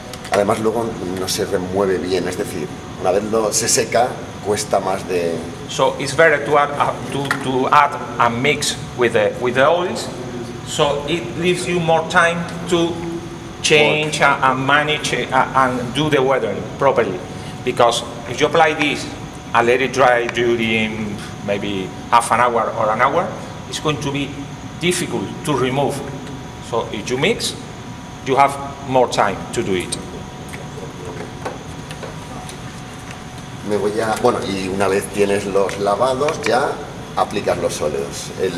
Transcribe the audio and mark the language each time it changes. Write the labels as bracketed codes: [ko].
[es] Además, luego no se remueve bien, es decir, una vez se seca, cuesta más de... [en] So it's better to add a mix with the oils, so it leaves you more time to change and manage and do the weathering properly. Because if you apply this and let it dry during maybe half an hour or an hour, it's going to be difficult to remove. So if you mix, you have more time to do it. [es] Me voy a, bueno, y una vez tienes los lavados, ya aplicar los óleos.